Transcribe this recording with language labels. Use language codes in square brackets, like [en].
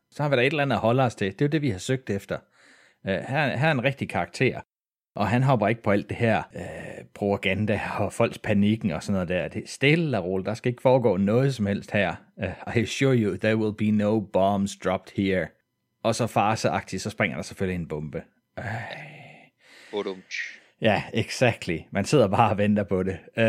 [da] Så har vi da et eller andet at holde os til. Det er jo det, vi har søgt efter. Her er en rigtig karakter, og han hopper ikke på alt det her propaganda og folks panikken og sådan noget der. Det er stille og roligt. Der skal ikke foregå noget som helst her. [en] I assure you, there will be no bombs dropped here. [da] Og så farseagtigt, så springer der selvfølgelig en bombe. Ja, exactly. Man sidder bare og venter på det.